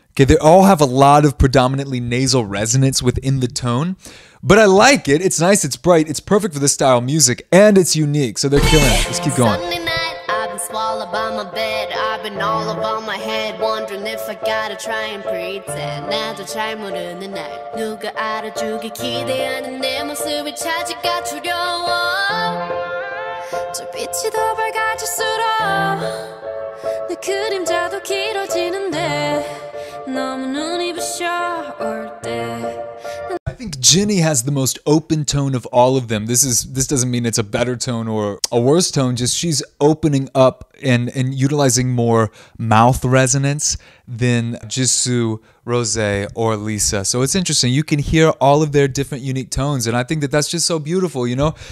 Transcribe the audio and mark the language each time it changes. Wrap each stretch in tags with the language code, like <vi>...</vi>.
<en>Okay, they all have a lot of predominantly nasal resonance within the tone, but I like it. It's nice. It's bright. It's perfect for this style of music, and it's unique. So they're killing it. Let's keep going. Sunday night, I've been swallowed. by my bed. I've been all up on my head, wondering if I gotta try and pretend.</en> <ko>나도 잘 모르는 날 누가 알아주길 기대하는 내 모습이 찾을까 두려워. 저 빛이 더 밝아질수록 내 그림자도 길어지는데 너무 눈이 부셔 올 때.</ko> <en>I think Jenny has the most open tone of all of them. This doesn't mean it's a better tone or a worse tone, just she's opening up and utilizing more mouth resonance than Jisoo, Rosé, or Lisa. So it's interesting. You can hear all of their different unique tones, and I think that that's just so beautiful, you know?</en>